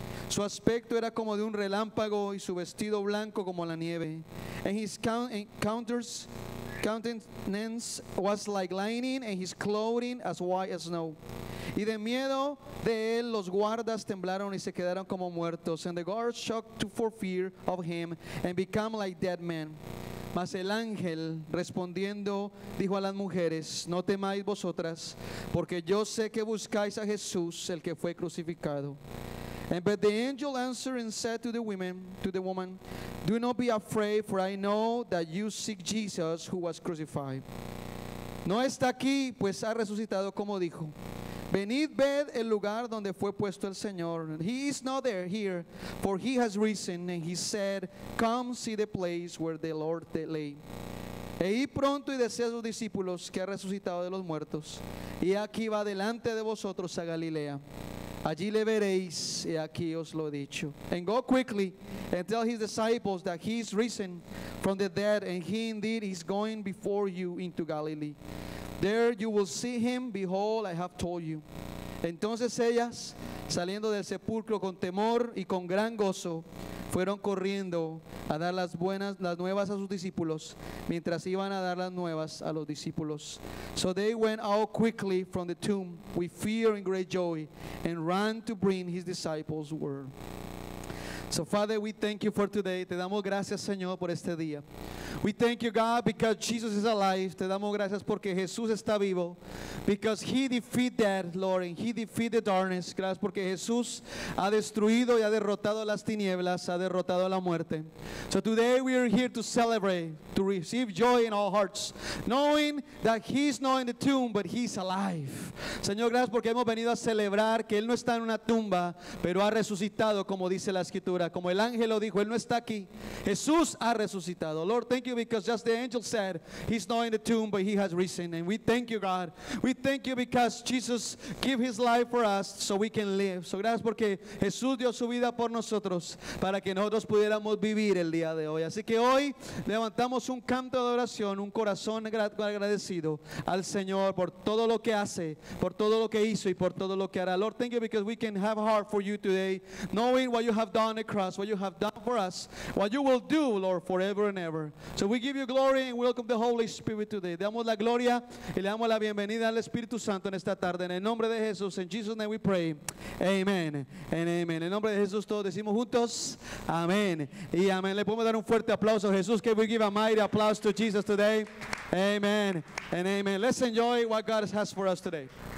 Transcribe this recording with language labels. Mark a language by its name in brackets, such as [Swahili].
[Spanish] Su aspecto era como de un relámpago y su vestido blanco como la nieve. [English] And his countenance was like lightning and his clothing as white as snow. [Spanish] Y de miedo de él, los guardas temblaron y se quedaron como muertos. [English] And the guards shocked for fear of him and became like dead men. [Spanish] Mas el ángel respondiendo dijo a las mujeres, no temáis vosotras, porque yo sé que buscáis a Jesús, el que fue crucificado. [English] And but the angel answered and said to the women, to the woman, do not be afraid, for I know that you seek Jesus who was crucified. [Spanish] No está aquí, pues ha resucitado como dijo. Venid, ved el lugar donde fue puesto el Señor. [English] He is not there here, for he has risen. And he said, come see the place where the Lord lay. [Spanish] E id pronto y decid a sus discípulos que ha resucitado de los muertos. Y aquí va delante de vosotros a Galilea. Allí le veréis, y aquí os lo he dicho. [English] And go quickly and tell his disciples that he is risen from the dead, and he indeed is going before you into Galilee. There you will see him. Behold, I have told you. [Spanish] Entonces ellas, saliendo del sepulcro con temor y con gran gozo, fueron corriendo a dar las nuevas a sus discípulos, mientras iban a dar las nuevas a los discípulos. [English] So they went out quickly from the tomb with fear and great joy, and ran to bring his disciples word. So Father, we thank you for today. [Spanish] Te damos gracias, Señor, por este día. [English] We thank you, God, because Jesus is alive. [Spanish] Te damos gracias porque Jesús está vivo. [English] Because he defeated death, Lord, and he defeated the darkness. [Spanish] Gracias porque Jesús ha destruido y ha derrotado las tinieblas, ha derrotado la muerte. [English] So today we are here to celebrate, to receive joy in our hearts, knowing that he's not in the tomb, but he's alive. [Spanish] Señor, gracias porque hemos venido a celebrar que Él no está en una tumba, pero ha resucitado, como dice la Escritura. Como el ángel lo dijo, Él no está aquí. Jesús ha resucitado. [English] Lord, thank you because just the angel said, he's not in the tomb, but he has risen. And we thank you, God. We thank you because Jesus gave his life for us so we can live. [Spanish] So gracias porque Jesús dio su vida por nosotros para que nosotros pudiéramos vivir el día de hoy. Así que hoy levantamos un canto de oración, un corazón agradecido al Señor por todo lo que hace, por todo lo que hizo y por todo lo que hará. [English] Lord, thank you because we can have a heart for you today, knowing what you have done on the cross, what you have done for us, what you will do, Lord, forever and ever. So we give you glory and welcome the Holy Spirit today. [Spanish] Le damos la gloria y le damos la bienvenida al Espíritu Santo en esta tarde. En el nombre de Jesús, [English] in Jesus' name we pray. Amen and amen. [Spanish] En el nombre de Jesús todos decimos juntos, amén y amén. Le podemos dar un fuerte aplauso a Jesús. [English] Can we give a mighty applause to Jesus today? Amen and amen. Let's enjoy what God has for us today.